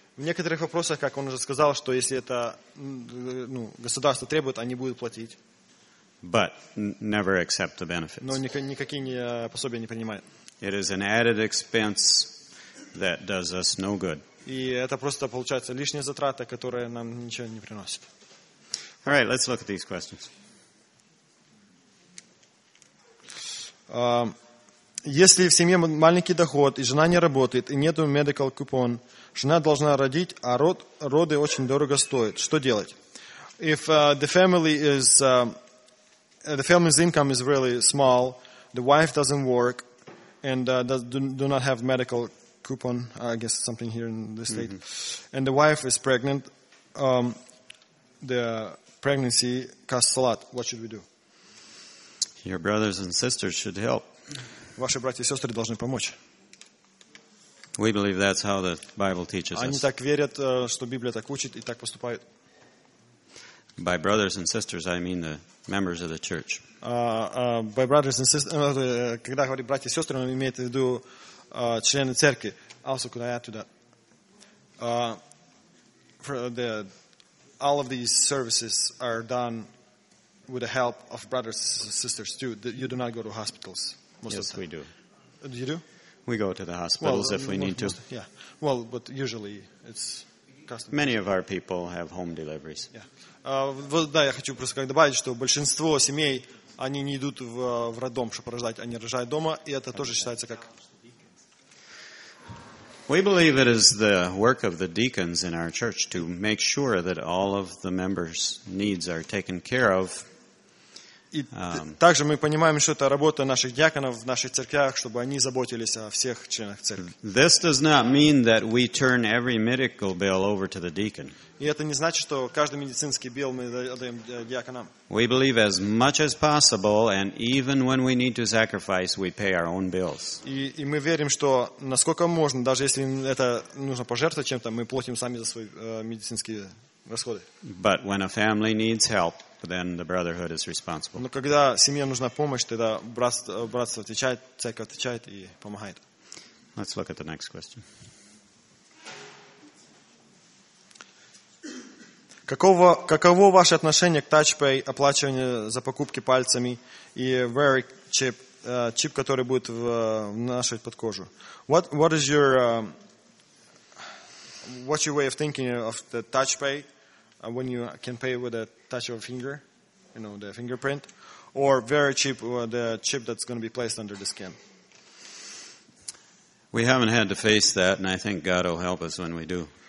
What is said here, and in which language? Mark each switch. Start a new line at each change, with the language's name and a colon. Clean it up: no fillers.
Russian: В некоторых вопросах, как он уже сказал, что если это государство требует, они будут платить.
English: But never accept the benefits.
Russian: Но никакие пособия не принимают.
English: It is an added expense that does us no good.
Russian: И это просто получается лишняя затрата, которая нам ничего не приносит.
English: All right, let's look at these questions.
Russian: Если в семье маленький доход, и жена не работает, и нету medical coupon, жена должна родить, а роды очень дорого стоят. Что делать?
English: If the family's income is really small, the wife doesn't work, and do not have medical coupon, I guess something here in the state, and the wife is pregnant, the pregnancy costs a lot. What should we do? Your brothers and sisters should help.
Russian: Ваши братья и сестры должны помочь.
English: We believe that's how the Bible teaches
Russian: Они
English: us.
Russian: Они так верят, что Библия так учит и так поступают.
English: By brothers and sisters, I mean the members of the church. By brothers and sisters,
Russian: когда говорит братья и сестры, он имеет в виду члены церкви.
English: Also, could I add to that? All of these services are done with the help of brothers and sisters too. You do not go to hospitals. Yes, we do. Do you do? We go to the hospitals if we need to. Yeah. Well, but usually it's custom. Many of our people have home deliveries. Yeah.
Russian: Да, я хочу просто как добавить, что большинство семей они не идут в роддом, чтобы рожать, они рожают дома, и это тоже считается как.
English: We believe it is the work of the deacons in our church to make sure that all of the members' needs are taken care of.
Russian: И также мы понимаем, что это работа наших диаконов в наших церквях, чтобы они заботились о всех членах церкви.
English: This does not mean that we turn every medical bill over to the deacon.
Russian: И это не значит, что каждый медицинский билл мы отдаем диаконам.
English: We believe as much as possible, and even when we need to sacrifice, we pay our own bills.
Russian: И мы верим, что насколько можно, даже если это нужно пожертвовать чем-то, мы платим сами за свой медицинский расходы.
English: But when a family needs help, then the brotherhood is responsible.
Russian: Но когда семье нужна помощь, тогда братство отвечает, церковь отвечает и помогает.
English: Let's look at the next question.
Russian: Каково ваше отношение к TouchPay, оплачиванию за покупки пальцами и Wear chip, чип, который будет вношать под кожу?
English: What is your what's your way of thinking of the TouchPay when you can pay with a touch of a finger, you know, the fingerprint, or Wear chip, the chip that's going to be placed under the skin? We haven't had to face that, and I think God will help us when we do.